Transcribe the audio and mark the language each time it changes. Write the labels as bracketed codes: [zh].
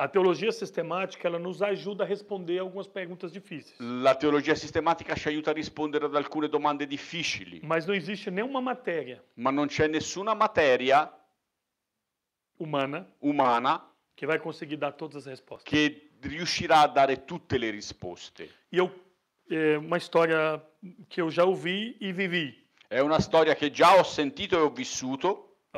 [pt] A teologia sistemática, ela nos ajuda a responder algumas perguntas difíceis. [it] La teologia sistematica ci aiuta a rispondere ad alcune domande difficili. [pt] Mas não existe nenhuma matéria. [it] Ma non c'è nessuna materia [pt] umana che vai conseguir dar todas as respostas. [it] Che riuscirà a dare tutte le risposte. [pt] E eu é uma história que eu já ouvi e vivi. [it] È una storia che già ho sentito e ho vissuto.